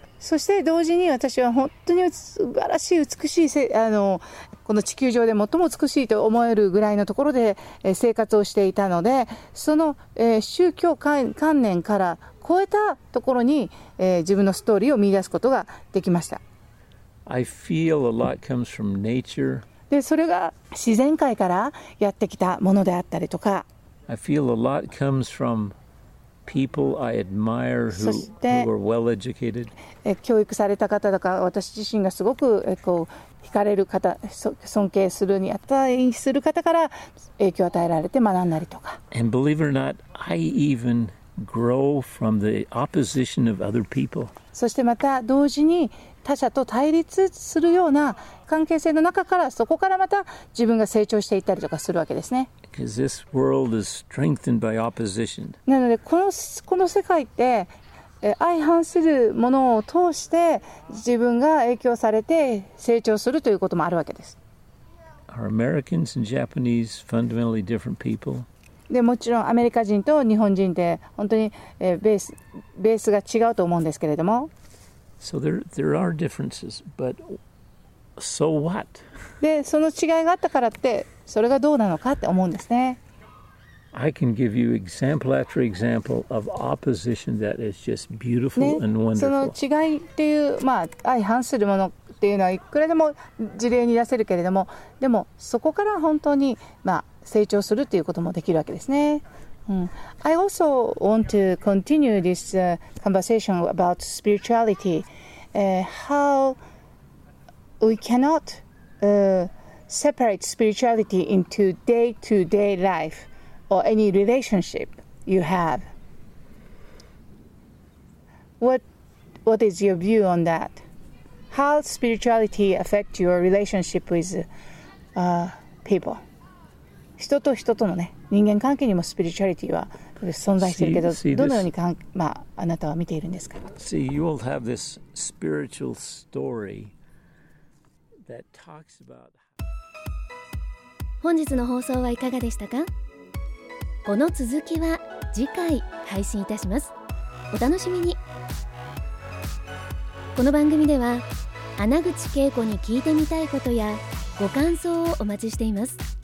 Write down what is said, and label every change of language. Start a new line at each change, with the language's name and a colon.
Japanese: そして同時に私は本当に素晴らしい美しいこの地球上で最も美しいと思えるぐらいのところで生活をしていたので、その宗教観念から超えたところに自分のストーリーを見出すことができました。
English: I feel a lot comes from nature.
Japanese: で、それが自然界からやってきたものであったりとか。
English: I feel a lot comes from people I admire who are well educated.
Japanese: 教育された方とか、私自身がすごく惹かれる方、尊敬するに値する方から影響を与えられて学んだりとか。
English: And believe it or not, I even grow from the opposition of other people.
Japanese: そしてまた同時に他者と対立するような関係性の中から、そこからまた自分が成長していったりとかするわけですね。
English: Because this world is strengthened by opposition.
Japanese: なので、この世界って相反するものを通して自分が影響されて成長するということもあるわけです。
English: Are Americans and Japanese fundamentally different people?
Japanese: でもちろんアメリカ人と日本人って本当に、ベースが違うと思うんですけれども。
English: So there are differences, but so what?
Japanese: で、その違いがあったからってそれがどうなのかって思うんですね。
English: I can give you example after example of opposition that is just beautiful and wonderful.
Japanese: ね、その違いっていう、相反するものっていうのはいくらでも事例に出せるけれども、でもそこから本当に成長するということもできるわけですね。
English: I also want to continue this conversation about spirituality. How we cannot separate spirituality into day-to-day life or any relationship you have. What is your view on that? How spirituality affect your relationship with people?
Japanese: 人と人とのね、人間関係にもスピリチュアリティは存在しているけど、どのようにあなたは見ているんですか。
English: See, you will have this spiritual story that talks about...
Japanese: 本日の放送はいかがでしたか。この続きは次回配信いたします。お楽しみに。この番組では穴口恵子に聞いてみたいことやご感想をお待ちしています。